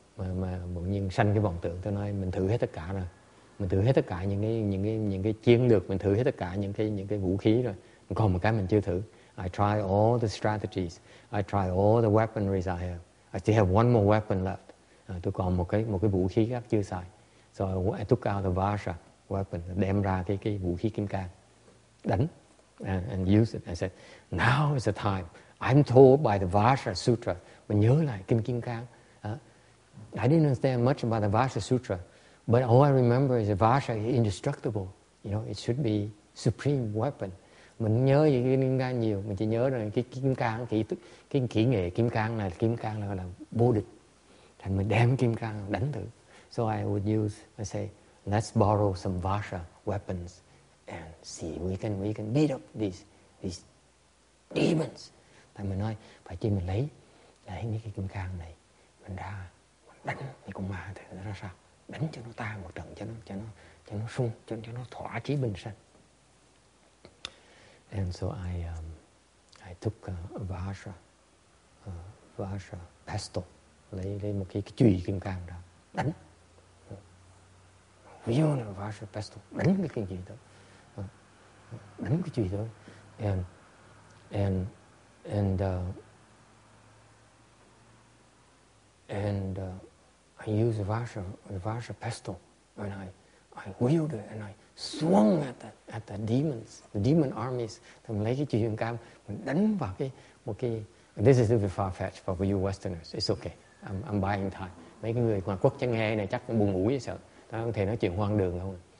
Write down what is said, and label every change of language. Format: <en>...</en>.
<vi>Mà bỗng nhiên sanh cái vọng tưởng, tôi nói mình thử hết tất cả rồi. Mình thử hết tất cả những cái chiến lược, những cái vũ khí rồi. Còn một cái mình chưa thử.</vi> <en>I try all the strategies. I try all the weaponries I have. I still have one more weapon left.</en> <vi>Tôi còn một cái vũ khí khác chưa xài.</vi> <en>So I took out the Vajra weapon,</en> <vi>đem ra cái vũ khí kim cang, đánh</vi> <en>and use it. I said, now is the time. I'm told by the Vajra Sutra.</en> <vi>Mình nhớ lại kim cang.</vi> <en>I didn't understand much about the Vajra Sutra, but all I remember is the Vajra is indestructible. You know, it should be supreme weapon.</en> <vi>Mình nhớ gì cái kim cang nhiều, mình chỉ nhớ rằng cái kim cang thì cái kỹ nghệ kim cang là vô địch. Thành mình đem kim cang đánh thử.</vi> <en>So I would use, I say, let's borrow some Vajra weapons and see if we can beat up these demons.</en> <vi>Thành mình nói phải chi mình lấy những cái kim cang này mình ra mình đánh thì con ma thì nó ra sao, đánh cho nó tan một trận, cho nó sung, cho nó thỏa chí bình sanh.</vi> <en>And so I took a Vajra pestle,</en> <vi>lấy một cái chùy kim cang ra đánh. Vion Vajra pestle, đánh cái kim chùy đó, đánh cái chùy đó.</vi> <en>And I use Vajra pestle, and I wielded it, and I swung at the demons, the demon armies.</en> <vi>Thầm lấy cái chùy kim cang mình đánh vào cái một cái.</vi> <en>This is a bit far fetched for you Westerners. It's okay. I'm buying time.</en> <vi>Mấy cái người ngoài quốc chẳng nghe này chắc buồn ngủ vậy sợ. Tao không thể nói chuyện hoang đường không.</vi>